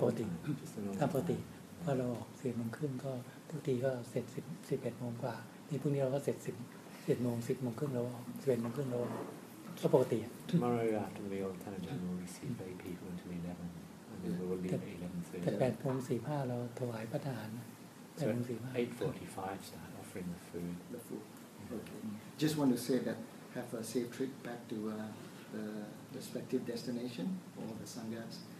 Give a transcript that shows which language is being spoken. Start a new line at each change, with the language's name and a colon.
Thai: ปกติตามปกติพอเราออกสี่โมงครึ่งก็ทุกทีก็เสร็จสิบสิบเอ็ดโมงกว่าในพรุ่งนี้เราก็เสร็จสิบเอ็ดโมงสิบโมงครึ่งเราออกสิบเอ็ดโมงครึ่งเราก็ปกติ
English: Tomorrow after meal, Tanajan will receive eight people until 11, and then we will leave at 11:30.
Thai: แต่แปดโมงสี่ห้าเราถวายพระทานแปดโมงสี่ห้า
English: 8:45 start offering the food. Okay. Just want to say that have a safe trip back to the respective destination for the sanghas.